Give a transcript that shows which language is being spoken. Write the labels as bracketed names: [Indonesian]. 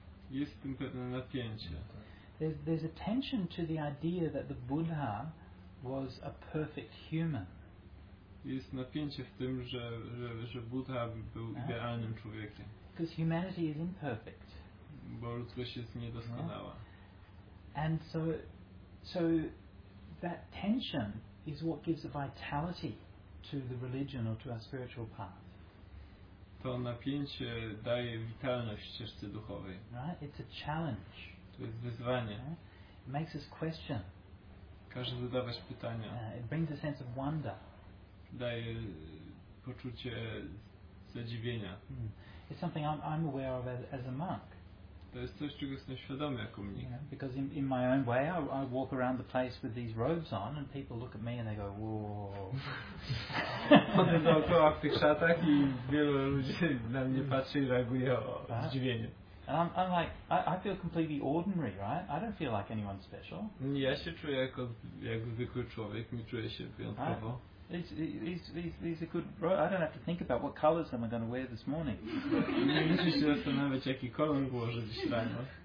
[Polish] Jest w tym pewne napięcie. [English] There's a tension to the idea that the Buddha was a perfect human. [Polish] Jest napięcie w tym, że Buddha był idealnym człowiekiem. [English] Because humanity is imperfect. [Polish] Bo ludzkość jest niedoskonała. [English] So that tension is what gives a vitality to the religion or to our spiritual path. [Polish] To napięcie daje witalność ścieżce duchowej. [English] Right? It's a challenge. [Polish] To jest wyzwanie. [English] Right? It makes us question. [Polish] Każe zadawać pytania. [English] It brings a sense of wonder. [Polish] Daje poczucie zadziwienia. [English] It's something I'm aware of as a monk. [Polish] To jest coś, czego jestem świadomy jako mnich. [English] You know, because in my own way, I walk around the place with these robes on, and people look at me and they go, whoa. [Polish] Chodzę dookoła w tych szatach i wielu ludzi na mnie patrzy i reaguje z zdziwieniem. [English] And I'm like, I feel completely ordinary, right? I don't feel like anyone special. [Polish] Ja się czuję jak zwykły człowiek, nie czuję się wyjątkowo. [English] These are good. I don't have to think about what colors am I going to wear this morning. [Polish] Nie muszę się zastanawiać, jaki kolor włożę dziś rano.